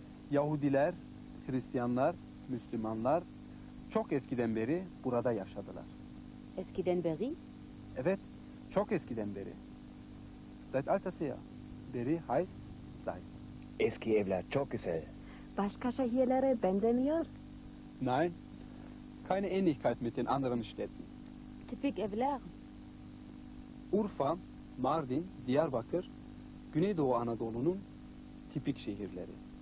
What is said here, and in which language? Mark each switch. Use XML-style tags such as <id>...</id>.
<tr>Yahudiler, Hristiyanlar, Müslümanlar çok eskiden beri burada yaşadılar. Eskiden beri? Evet, çok eskiden beri.</tr> <de>Seit alter Zeit. Beri heißt seit.</de> <tr>Eski evler çok güzel. Başka şehirlere benzemiyor?</tr> <de>Nein, keine Ähnlichkeit mit den anderen Städten.</de> <tr>Tipik evler. Urfa, Mardin, Diyarbakır, Güneydoğu Anadolu'nun tipik şehirleri.</tr>